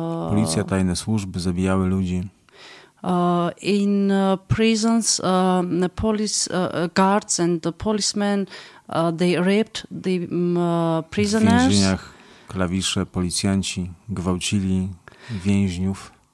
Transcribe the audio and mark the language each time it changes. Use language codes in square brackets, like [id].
[pl] Policja, tajne służby zabijały ludzi. [en] In prisons, the police guards and the policemen, they raped the prisoners. [pl] W więzieniach. Klawisze, policjanci gwałcili więźniów.